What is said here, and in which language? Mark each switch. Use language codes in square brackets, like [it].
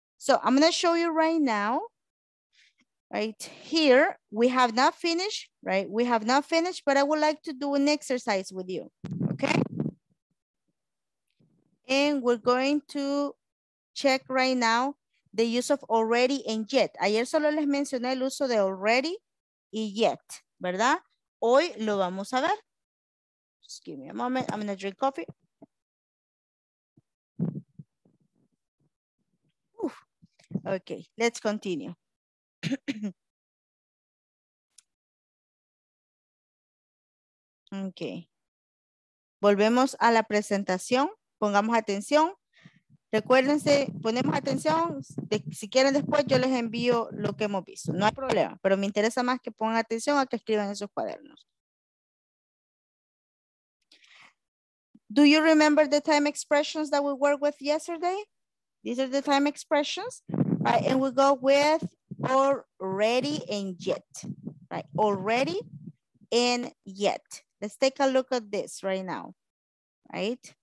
[en] So I'm going to show you right now. Right here, we have not finished. Right? We have not finished, but I would like to do an exercise with you. Okay? And we're going to check right now the use of already and yet. [es] Ayer solo les mencioné el uso de already y yet, ¿verdad? Hoy lo vamos a ver. [en] Just give me a moment. I'm going to drink coffee. Oof. Okay, let's continue. [es] Okay. Volvemos a la presentación. Pongamos atención, Recuérdense, ponemos atención. Si quieren después yo les envío lo que hemos visto. No hay problema, pero me interesa más que pongan atención a que escriban en sus cuadernos. [en] Do you remember the time expressions that we worked with yesterday? These are the time expressions, right? And we go with already and yet, right? Already and yet. Let's take a look at this right now, right?